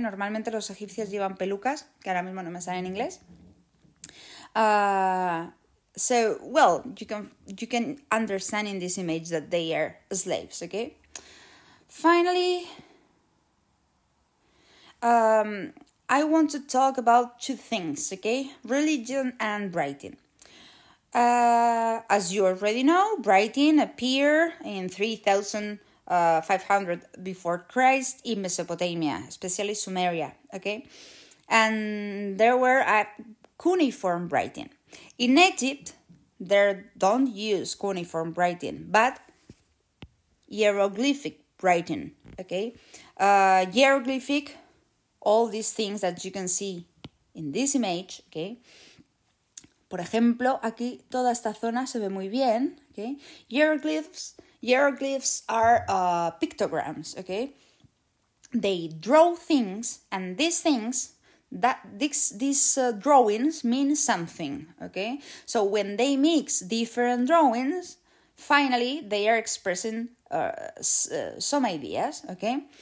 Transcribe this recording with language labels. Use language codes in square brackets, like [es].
[es] Normalmente los egipcios llevan pelucas, que ahora mismo no me sale en inglés. [en] So, well, you can understand in this image that they are slaves, okay? Finally, I want to talk about two things, okay? Religion and writing. As you already know, writing appeared in 3500 before Christ in Mesopotamia, especially Sumeria, okay? And there were cuneiform writing. In Egypt, they don't use cuneiform writing, but hieroglyphic writing, okay? Hieroglyphic, all these things that you can see in this image, okay? [es] Por ejemplo, aquí toda esta zona se ve muy bien, okay? [en] Hieroglyphs are pictograms, okay? They draw things, and these things, that these drawings mean something, okay? So when they mix different drawings, finally they are expressing some ideas, okay?